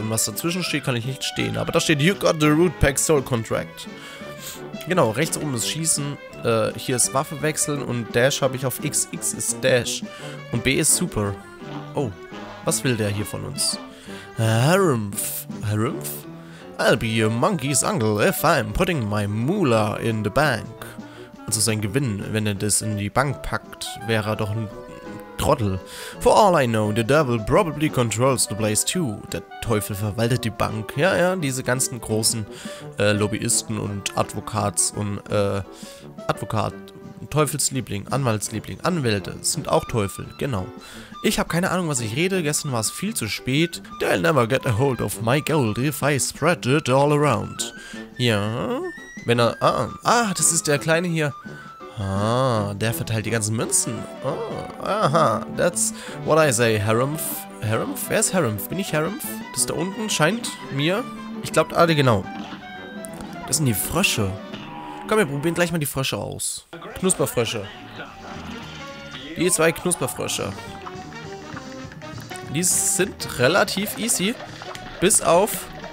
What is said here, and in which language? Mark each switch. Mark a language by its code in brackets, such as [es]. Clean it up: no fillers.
[de] Und was dazwischen steht, kann ich nicht stehen. Aber da steht, [en] you got the Root Pack Soul Contract. [de] Genau, rechts oben ist Schießen, hier ist Waffe wechseln und Dash habe ich auf X. X ist Dash. Und B ist Super. Oh. Was will der hier von uns? Harumph. Harumph? [en] I'll be your monkey's uncle if I'm putting my moolah in the bank. [de] Also sein Gewinn, wenn er das in die Bank packt, wäre er doch ein Trottel. [en] For all I know, the devil probably controls the place too. [de] Der Teufel verwaltet die Bank. Ja, ja, diese ganzen großen Lobbyisten und Advokats und Advokat, Teufelsliebling, Anwaltsliebling, Anwälte sind auch Teufel, genau. Ich habe keine Ahnung, was ich rede. Gestern war es viel zu spät. [en] They'll never get a hold of my gold if I spread it all around. [de] Ja, wenn er... Ah, das ist der Kleine hier. Ah, der verteilt die ganzen Münzen. [en] Aha, that's what I say, Harumph. [de] Harumph? Wer ist Harumph? Bin ich Harumph? Das da unten scheint mir... Ich glaube, alle genau. Das sind die Frösche. Komm, wir probieren gleich mal die Frösche aus. Knusperfrösche. Die zwei Knusperfrösche. Die sind relativ easy. Bis auf...